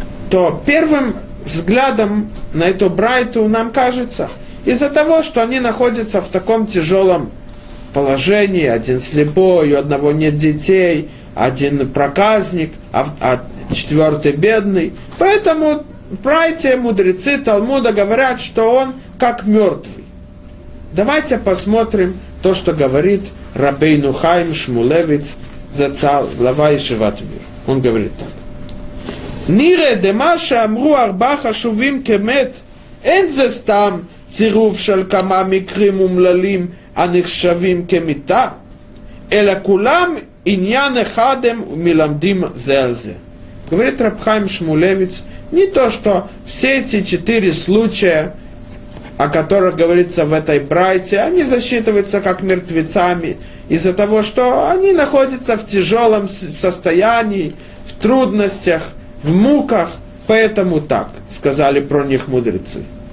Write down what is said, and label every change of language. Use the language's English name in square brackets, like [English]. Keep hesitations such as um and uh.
[Russian] То первым взглядом на эту Брайту нам кажется, из-за того, что они находятся в таком тяжелом положении, один слепой, у одного нет детей, один проказник, а, а четвертый бедный. Поэтому братья, мудрецы Талмуда говорят, что он как мертвый. Давайте посмотрим то, что говорит Рабей Нухайм Шмулевиц, Зацал, глава Ишеват Мир. Он говорит так. [Hebrew] Нире демаша амру арбаха шувим кемет, אין זה סתם צירוף של כמה מקרים אומללים הנחשבים כמיתה, אלא כולם עניין אחד הם מלמדים זה על זה. [Russian] Говорит Рабхайм Шмулевиц, не то, что все эти четыре случая, о которых говорится в этой брайте, они засчитываются как мертвецами из-за того, что они находятся в тяжелом состоянии, в трудностях, в муках, поэтому так, сказали про них мудрецы.